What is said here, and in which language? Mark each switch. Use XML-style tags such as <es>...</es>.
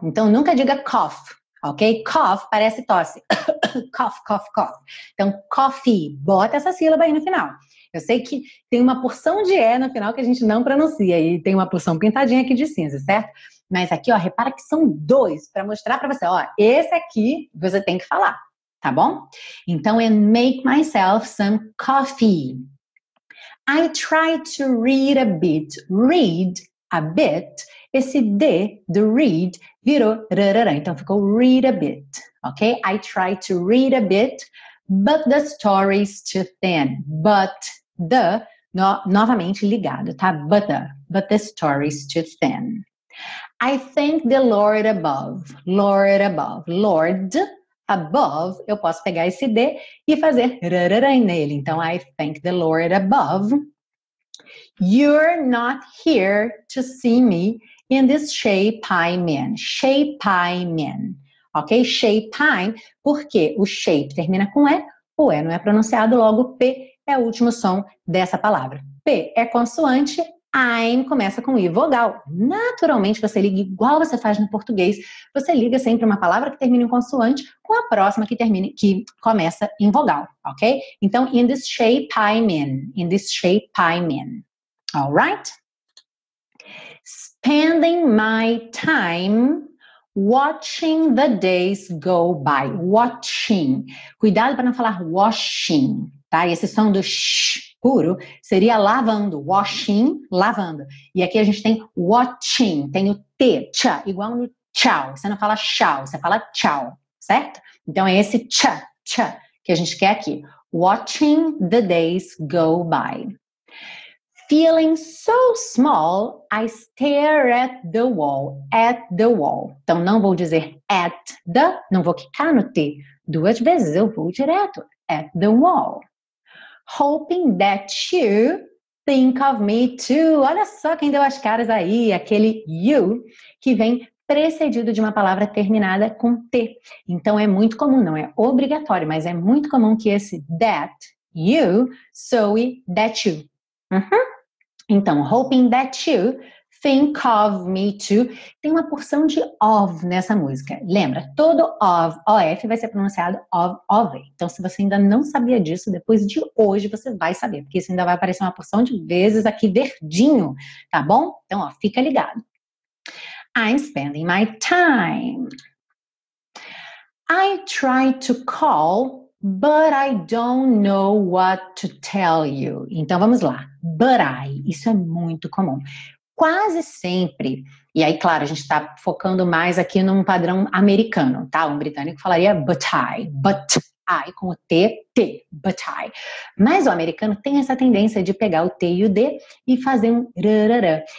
<pt>Então, nunca diga cough, ok? Cough parece tosse. Cough, cough, cough. Então, coffee, bota essa sílaba aí no final. Eu sei que tem uma porção de E no final que a gente não pronuncia e tem uma porção pintadinha aqui de cinza, certo? Mas aqui, ó, repara que são dois para mostrar para você. Ó, esse aqui você tem que falar, tá bom?</pt> <en>Então, and make myself some coffee. I try to read a bit. Read a bit.</en> <pt>Esse D do read virou rarara. Então, ficou</pt> <en>read a bit,</en> <pt>ok?</pt> <en>I try to read a bit, but the story's too thin. But the,</en> <pt>no, novamente ligado, tá?</pt> <en>But the story's too thin. I thank the Lord above, Lord above, Lord above,</en> <pt>eu posso pegar esse D e fazer rarara nele.</pt> <en>Então, I thank the Lord above. You're not here to see me in this shape I'm in. Shape I'm in. Ok? Shape I'm,</en> <pt>porque o shape termina com E, o E não é pronunciado, logo P é o último som dessa palavra. P é consoante. I'm começa com I vogal. Naturalmente, você liga igual você faz no português. Você liga sempre uma palavra que termina em consoante com a próxima que termina, que começa em vogal, ok?</pt> <en>Então, in this shape I'm in. In this shape I'm in. All right? Spending my time watching the days go by. Watching.</en> <pt>Cuidado para não falar washing, tá? E esse som do sh puro seria lavando, washing, lavando. E aqui a gente tem watching, tem o T, tcha, igual no tchau. Você não fala tchau, você fala tchau, certo? Então é esse tcha, tcha que a gente quer aqui.</pt> <en>Watching the days go by. Feeling so small, I stare at the wall, at the wall.</en> <pt>Então não vou dizer at the, não vou quicar no T duas vezes, eu vou direto,</pt> <en>at the wall. Hoping that you think of me too.</en> <pt>Olha só quem deu as caras aí, aquele you que vem precedido de uma palavra terminada com T. Então é muito comum, não é obrigatório, mas é muito comum que esse</pt> <en>that you</en> <pt>soe that you. Uhum.</pt> <en>Então, hoping that you think of me too.</en> <pt>Tem uma porção de of nessa música. Lembra, todo of, O-F, vai ser pronunciado of, of. Então, se você ainda não sabia disso, depois de hoje você vai saber. Porque isso ainda vai aparecer uma porção de vezes aqui verdinho. Tá bom? Então, ó, fica ligado.</pt> <en>I'm spending my time. I try to call, but I don't know what to tell you.</en> <pt>Então, vamos lá.</pt> <en>But I,</en> <pt>isso é muito comum. Quase sempre, e aí, claro, a gente está focando mais aqui num padrão americano, tá? Um britânico falaria</pt> <en>but I,</en> <pt>com o T, T, but I. Mas o americano tem essa tendência de pegar o T e o D e fazer um rarara.</pt>